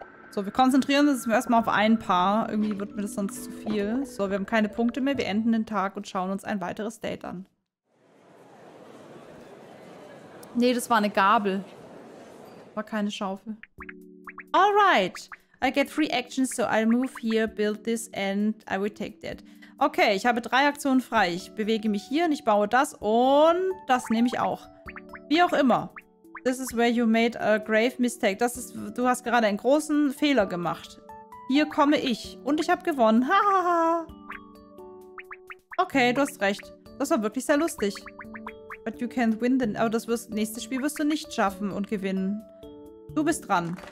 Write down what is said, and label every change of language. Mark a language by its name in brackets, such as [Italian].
[German] So, wir konzentrieren uns erstmal auf ein paar. Irgendwie wird mir das sonst zu viel. So, wir haben keine Punkte mehr. Wir enden den Tag und schauen uns ein weiteres Date an. Nee, das war eine Gabel. War keine Schaufel. Alright. [English] I get 3 actions, so I'll move here, build this and I will take that. [German] Okay, ich habe 3 Aktionen frei. Ich bewege mich hier und ich baue das und das nehme ich auch. Wie auch immer. [English] This is where you made a grave mistake. [German] Das ist, du hast gerade einen großen Fehler gemacht. Hier komme ich und ich habe gewonnen. Hahaha. Okay, du hast recht. Das war wirklich sehr lustig. [English] But you can't win the... [German] Aber das wirst, nächste Spiel wirst du nicht schaffen und gewinnen. Du bist dran.